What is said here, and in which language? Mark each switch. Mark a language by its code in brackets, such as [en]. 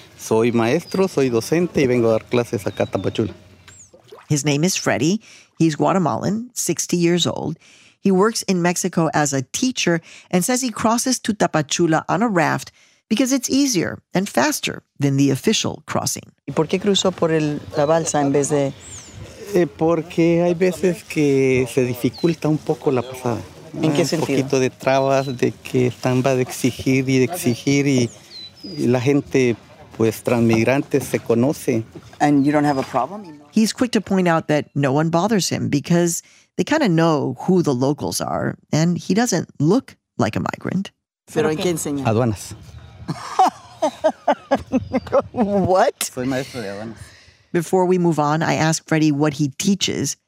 [es] Soy maestro, soy docente, y vengo a dar clases acá a Tapachula. [en] His name is Freddy. He's Guatemalan, 60 years old. He works in Mexico as a teacher and says he crosses to Tapachula on a raft because it's easier and faster than the official crossing. [es] ¿Y por qué cruzó por la balsa en vez de Porque hay veces que se dificulta un poco la pasada. ¿En qué sentido? Un poquito de trabas, de que están va de exigir y de exigir y la gente, pues, transmigrante se conoce. [en] And you don't have a problem? He's quick to point out that no one bothers him because they kind of know who the locals are and he doesn't look like a migrant. [es] ¿Pero en qué enseña? Aduanas. [en] What? [es] Soy maestro de aduanas. [en] Before we move on, I ask Freddy what he teaches.